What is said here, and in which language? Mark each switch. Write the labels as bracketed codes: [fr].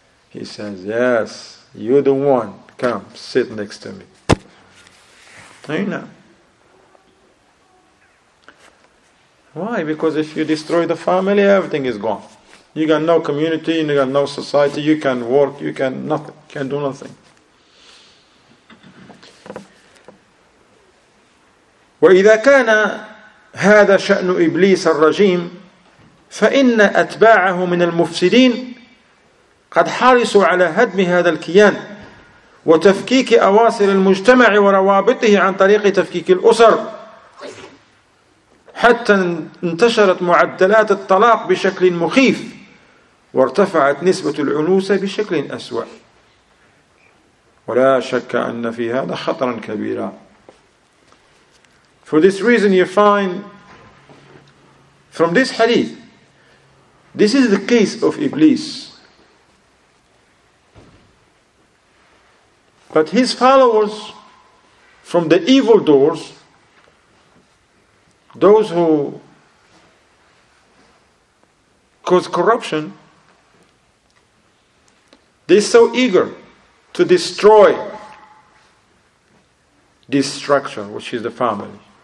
[en] He says, yes, you're the one. Come, sit next to me. Aina. Why? Because if you destroy the family, everything is gone. You got no community, you got no society, you can work, you can nothing, can do nothing. [ar] وَإِذَا كَانَ هذا شأن إبليس الرجيم فإن أتباعه من المفسدين قد حرصوا على هدم هذا الكيان وتفكيك أواصر المجتمع وروابطه عن طريق تفكيك الأسر حتى انتشرت معدلات الطلاق بشكل مخيف وارتفعت نسبة العنوسة بشكل أسوأ. ولا شك أن في هذا خطرا كبيرا. [en] For this reason you find from this hadith, this is the case of Iblis. But his followers from the evil doors, those who cause corruption, they're so eager to destroy this structure, which is the family.